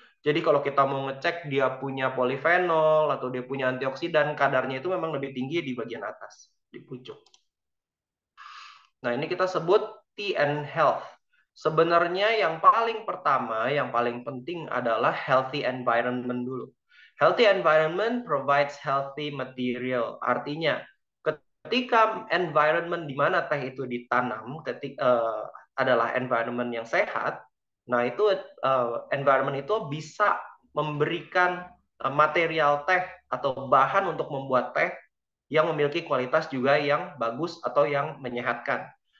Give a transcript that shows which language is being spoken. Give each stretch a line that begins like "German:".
Indonesian: Jadi kalau kita mau ngecek dia punya polifenol atau dia punya antioksidan, kadarnya itu memang lebih tinggi di bagian atas, di pucuk. Nah, ini kita sebut tea and health. Sebenarnya yang paling pertama, yang paling penting adalah healthy environment dulu.
English: Healthy environment provides healthy material.
Indonesian: Artinya, ketika environment di mana teh itu ditanam adalah environment yang sehat, nah itu environment itu bisa memberikan material teh atau bahan untuk membuat teh yang memiliki kualitas juga yang bagus atau yang menyehatkan.